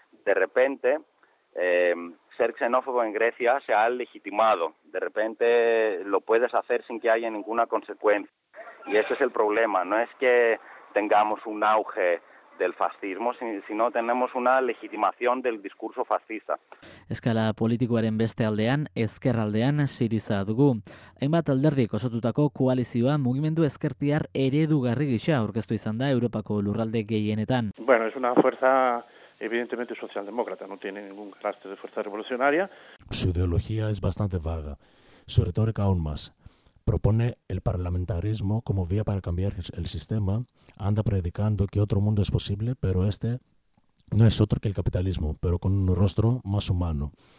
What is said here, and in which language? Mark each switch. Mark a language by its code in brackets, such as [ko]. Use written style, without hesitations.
[es] De repente, ser xenófobo en Grecia se ha legitimado. De repente lo puedes hacer sin que haya ninguna consecuencia. Y ese es el problema. No es que tengamos un auge del fascismo, sino tenemos una legitimación del discurso fascista. [eu] Eskala politikoaren beste aldean, ezkerraldean Siriza dugu. Hainbat alderdik osotutako koalizioa mugimendu ezkertiar eredugarri gisa aurkeztu izan da Europako lurralde gehienetan. [es] Bueno, es una fuerza evidentemente socialdemócrata, no tiene ningún carácter de fuerza revolucionaria. Su ideología es bastante vaga, su retórica aún más. Propone el parlamentarismo como vía para cambiar el sistema, anda predicando que otro mundo es posible, pero este no es otro que el capitalismo, pero con un rostro más humano.